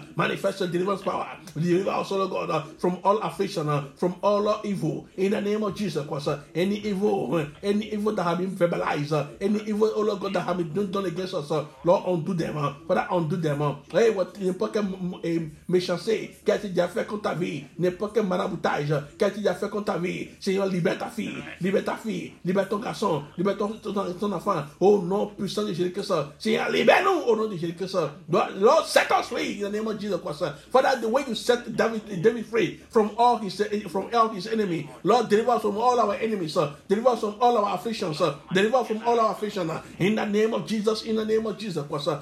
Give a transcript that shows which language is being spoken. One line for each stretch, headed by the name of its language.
English: Manifest your deliverance power. Deliver us, oh Lord God, from all affliction, from all evil. In the name of Jesus Christ, any evil that have been verbalized, any evil, oh Lord God, that have been done against us, Lord, undo them. Father, undo them. Hey, what
French: n'est pas que méchanceté, qu'est-ce que tu as fait contre ta vie? N'est pas que maraboutage, qu'est-ce que tu as fait contre ta vie? Seigneur, libère ta fille, libère ta fille, libère ton garçon, libère ton enfant. Au nom puissant de Jésus Christ, Seigneur, libère-nous au nom de Jésus Christ.
English: Lord, set us free in the name of Jesus Christ. Father, the way you set David free from all his enemies, Lord, deliver us from all our enemies, deliver us from all our afflictions, deliver us from all our afflictions in the name of Jesus, in the name of Jesus Christ.